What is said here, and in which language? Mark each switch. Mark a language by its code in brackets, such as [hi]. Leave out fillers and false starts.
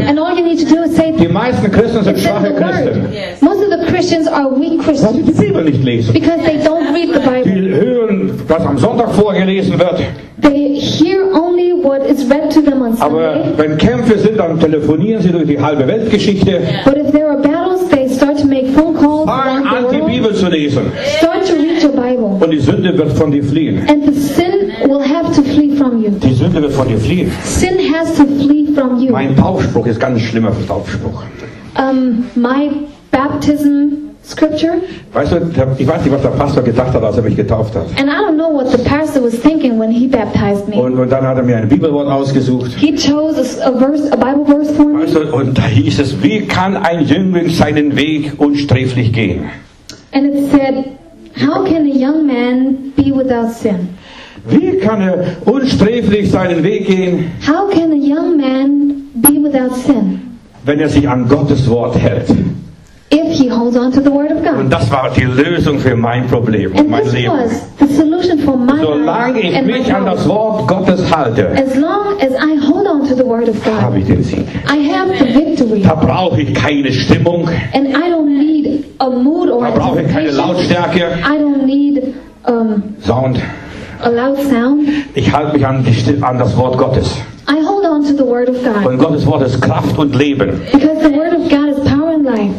[en] And all you need to do is say, [de] die meisten Christen sind schwache Christen. [en] Yes. Most of the Christians are weak Christians. [de] Weil sie die Bibel nicht lesen. [en] Because they don't read the Bible. [de] Die hören, was am Sonntag vorgelesen wird. [en] They hear only what is read to them on Sunday. [de] Aber wenn Kämpfe sind, dann telefonieren sie durch die halbe Weltgeschichte. [en] Yeah. But if there are battles, they start to make phone calls. [de] Fang an, die Bibel zu lesen. [en] Start to read your Bible. [de] Und die Sünde wird von dir fliehen. [en] And the sin will have to flee from you. [de] Die Sünde wird von dir fliehen. [en] Sin has to flee from you. [de] Mein Taufspruch ist ganz schlimmer für Taufspruch. [en] My baptism scripture. [de] Weißt du, ich weiß nicht, was der Pastor gedacht hat, als er mich getauft hat. [en] And I don't know what the pastor was thinking when he baptized me. [de] Und dann hat er mir ein Bibelwort ausgesucht. [en] He chose a Bible verse for me. [de] Weißt du, und da hieß es, wie kann ein Jüngling seinen Weg unsträflich gehen? [en] And it said, how can a young man be without sin? [de] Wie kann er unsträflich seinen Weg gehen? [en] How can a young man be without sin? [de] Wenn er sich an Gottes Wort hält. [en] If he holds on to the word of God. [de] Und das war die Lösung für mein Problem, [en] and [de] mein Leben. [en] Was the solution for my [de] solange [en] life [de] ich [en] and [de] mich [en] my [de] an das Wort Gottes halte, [en] as long as I hold on to the word of God, [de] habe ich den Sieg. [en] I have the victory. [de] Da brauche ich keine Stimmung. [en] And I don't need a mood or [de] da brauche ich keine Lautstärke. [en] I don't need Sound. A loud sound. [de] Ich halte mich an, an das Wort Gottes. [en] I hold on to the word of God. [de] Und Gottes Wort ist Kraft und Leben. [en] Because the word of God is power and life.